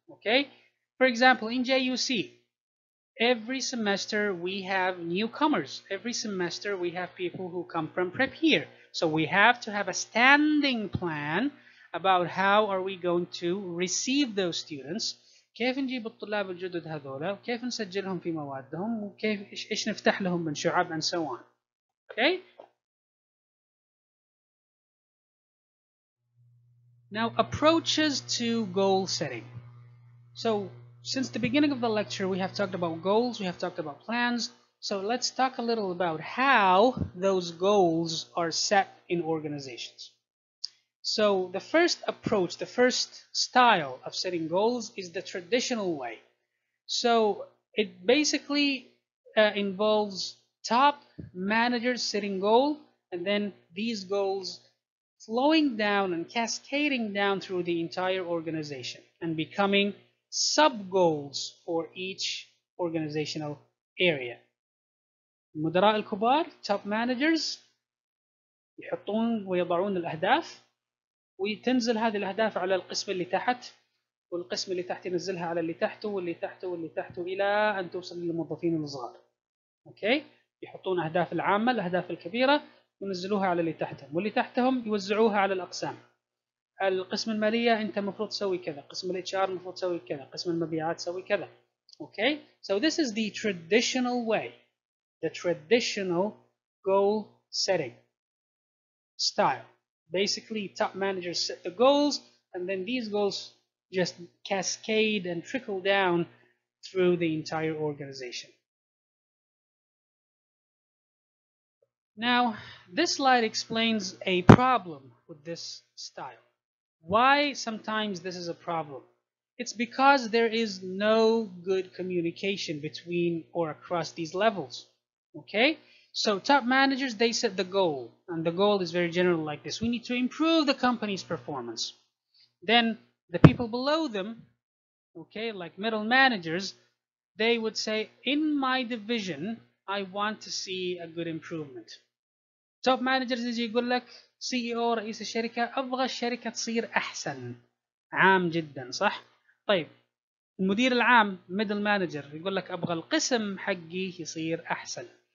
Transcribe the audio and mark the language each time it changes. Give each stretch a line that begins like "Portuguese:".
English: Okay, for example, in JUC, every semester we have newcomers. Every semester we have people who come from prep here. So we have to have a standing plan about how are we going to receive those students.
Arabic: كيف نجيب الطلاب الجدد هذولا وكيف نسجلهم في موادهم وكيف ايش نفتح لهم من شعب
English: and so on. Okay. Now approaches to goal setting. So since the beginning of the lecture we have talked about goals, we have talked about plans. So let's talk a little about how those goals are set in organizations. So the first approach, the first style of setting goals is the traditional way. So it basically involves top managers setting goals, and then these goals flowing down and cascading down through the entire organization and becoming sub-goals for each organizational area.
Arabic: مدراء الكبار, top managers, يحطون ويضعون الأهداف وتنزل هذه الأهداف على القسم اللي تحت والقسم اللي تحت ينزلها على اللي تحته واللي تحته واللي تحته إلى أن توصل للموظفين الصغار. Okay, يحطون أهداف العامة, الأهداف الكبيرة ونزلوها على اللي تحتهم واللي تحتهم يوزعوها على الأقسام. القسم المالية أنت مفروض تسوي كذا, قسم الـ HR مفروض تسوي كذا, قسم المبيعات تسوي كذا.
English: Okay, so this is the traditional way. The traditional goal setting style. Basically, top managers set the goals, and then these goals just cascade and trickle down through the entire organization. Now, this slide explains a problem with this style. Why sometimes this is a problem? It's because there is no good communication between or across these levels. Okay, so top managers, they set the goal, and the goal is very general like this. We need to improve the company's performance. Then the people below them, okay, like middle managers, they would say, in my division, I want to see a good improvement. Top managers, as you go like CEO,
Arabic: رئيس الشركة, أبغى الشركة تصير أحسن. عام جدا, صح? طيب, المدير العام ميدل مانجر يقول لك ابغى القسم حقي يصير احسن.